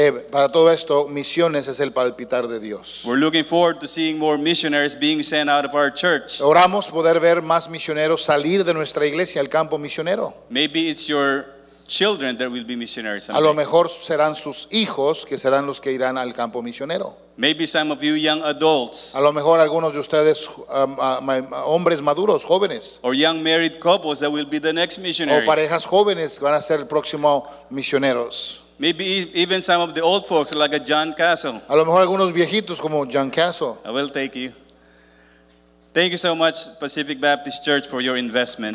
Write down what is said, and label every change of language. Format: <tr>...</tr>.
<es>Para todo esto, misiones es el palpitar de Dios.</es> <en>We're looking forward to seeing more missionaries being sent out of our church.</en> <es>Oramos poder ver más misioneros salir de nuestra iglesia al campo misionero.</es> <en>Maybe it's your children that will be missionaries someday.</en> <es>A lo mejor serán sus hijos que serán los que irán al campo misionero.</es> <en>Maybe some of you young adults.</en> <es>A lo mejor algunos de ustedes hombres maduros, jóvenes.</es> <en>Or young married couples that will be the next missionaries.</en> <es>O parejas jóvenes van a ser el próximo misioneros.</es> <en>Maybe even some of the old folks like a John Castle.</en> <es>A lo mejor algunos viejitos como John Castle.</es> <en>I will take you. Thank you so much, Pacific Baptist Church, for your investment.</en>